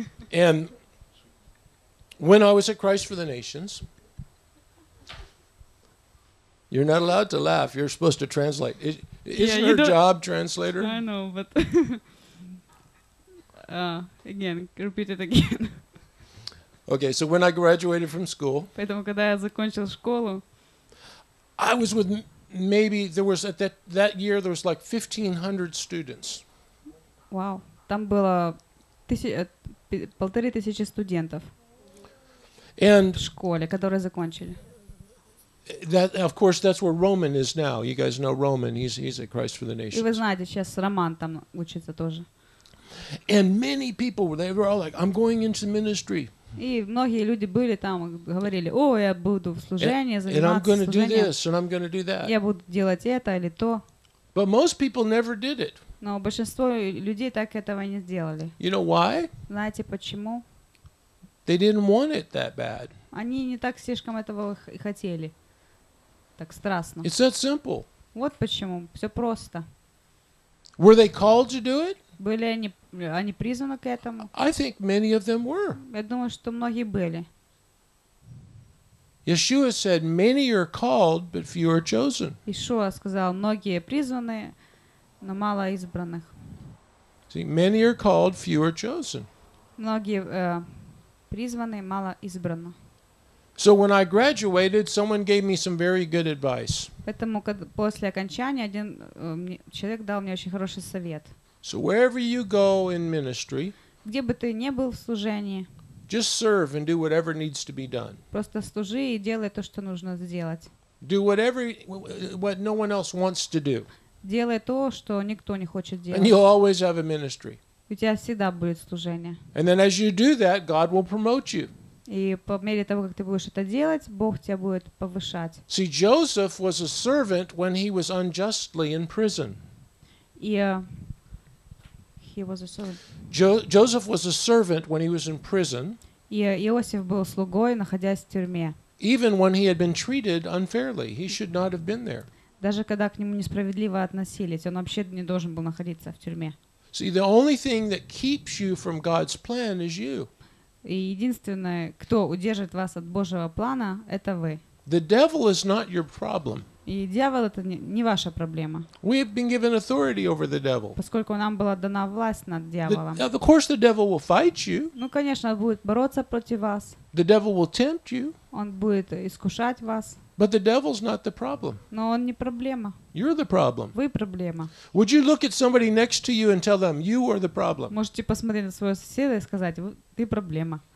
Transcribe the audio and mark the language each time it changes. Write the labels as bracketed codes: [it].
[en] And when I was at Christ for the Nations, you're not allowed to laugh. You're supposed to translate. Isn't your job translator? I know, but again, repeat it again. Okay, so when I graduated from school, [ru] поэтому когда я закончил школу, [en] I was with maybe there was at that year there was like 1,500 students. [ru] Wow, там было 1,500 студентов. [en] And [ru] в школе, которые закончили. [en] That, of course, that's where Roman is now. You guys know Roman. He's at Christ for the Nations. [ru] И вы знаете, сейчас Роман там учится тоже. [en] And many people, they were all like, "I'm going into ministry." [ru] И многие люди были там, говорили, "О, я буду в служении заниматься." [en] And I'm going to do this, and I'm going to do that. [ru] Я буду делать это или то. [en] But most people never did it. [ru] Но большинство людей так этого не сделали. [en] You know why? [ru] Знаете почему? [en] They didn't want it that bad. [ru] Они не так слишком этого хотели. Так страстно. [en] It's that simple. [ru] Вот почему. Все просто. [en] Were they called to do it? [ru] Были они призваны к этому? [en] I think many of them were. [ru] Я думаю, что многие были. [en] Yeshua said, many are called, but few are chosen. [ru] Иешуа сказал, многие призваны, но мало избранных. [en] See, many are called, few are chosen. [ru] Многие призваны, мало избрано. [en] So when I graduated, someone gave me some very good advice. [ru] Поэтому после окончания один человек дал мне очень хороший совет. [en] So wherever you go in ministry, [ru] где бы ты ни был в служении, [en] Just serve and do whatever needs to be done. [ru] Просто служи и делай то, что нужно сделать. [en] Do whatever what no one else wants to do. [ru] Делай то, что никто не хочет делать. [en] And you'll always have a ministry. [ru] У тебя всегда будет служение. [en] And then as you do that, God will promote you. [ru] И по мере того, как ты будешь это делать, Бог тебя будет повышать. [en] See, Joseph was a servant when he was unjustly in prison. He was a servant. Joseph was a servant when he was in prison. [ru] Иосиф был слугой, находясь в тюрьме. [en] Even when he had been treated unfairly, he should not have been there. [ru] Даже когда к нему несправедливо относились, он вообще не должен был находиться в тюрьме. [en] See, the only thing that keeps you from God's plan is you. [ru] И единственное, кто удержит вас от Божьего плана, это вы. [en] The devil is not your problem. [ru] И дьявол — это не ваша проблема. [en] We have been given authority over the devil. [ru] Поскольку нам была дана власть над дьяволом. [en] Of course the devil will fight you. [ru] Ну, конечно, он будет бороться против вас. [en] The devil will tempt you. [ru] Он будет искушать вас. [en] But the devil's not the problem. [ru] Но он не проблема. [en] You're the problem. [ru] Вы проблема. [en] Would you look at somebody next to you and tell them, you are the problem? [ru] Можете посмотреть на своего соседа и сказать, ты проблема.